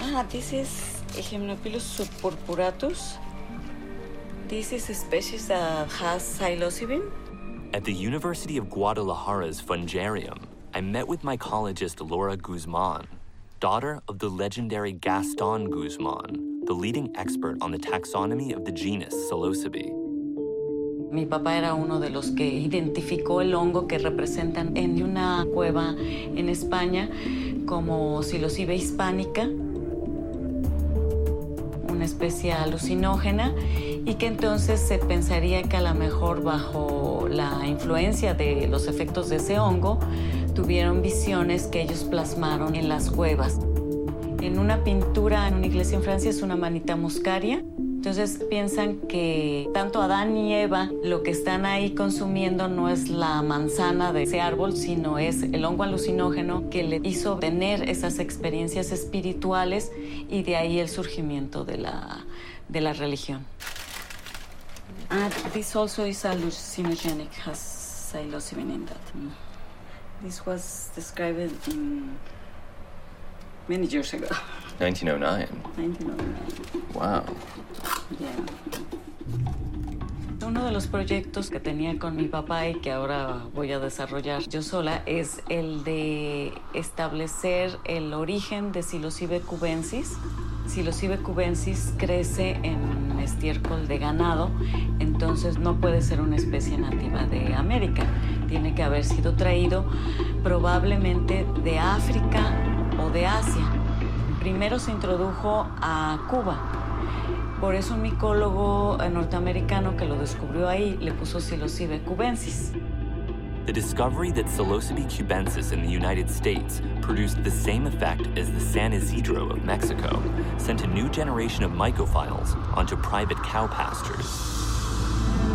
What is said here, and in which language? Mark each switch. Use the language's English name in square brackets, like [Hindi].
[English] This is Hymenopilus subpurpuratus. This is a species that has psilocybin. At the University of Guadalajara's Fungarium, I met with mycologist Laura Guzman, daughter of the legendary Gaston Guzman, the leading expert on the taxonomy of the genus Psilocybe. [Spanish] Mi papá era uno de los que identificó el hongo que representan en una cueva en España como Psilocybe hispánica, una especie alucinógena, y que entonces se pensaría que a lo mejor bajo la influencia de los efectos de ese hongo tuvieron visiones que ellos plasmaron en las cuevas. En una pintura en una iglesia en Francia es una manita muscaria. Entonces piensan que tanto Adán y Eva lo que están ahí consumiendo no es la manzana de ese árbol, sino es el hongo alucinógeno que le hizo tener esas experiencias espirituales y de ahí el surgimiento de la religión. [English] This also is hallucinogenic, has psilocybin in that. This was described many years ago. 1909. Wow. Yeah. [Spanish] Uno de los proyectos que tenía con mi papá y que ahora voy a desarrollar yo sola es el de establecer el origen de Psilocybe cubensis. Psilocybe cubensis crece en estiércol de ganado, entonces no puede ser una especie nativa de América. Tiene que haber sido traído probablemente de África o de Asia. Primero se introdujo a Cuba. Por eso un micólogo norteamericano que lo descubrió ahí le puso Psilocybe cubensis. [English] The discovery that Psilocybe cubensis in the United States produced the same effect as the San Isidro of Mexico sent a new generation of mycophiles onto private cow pastures.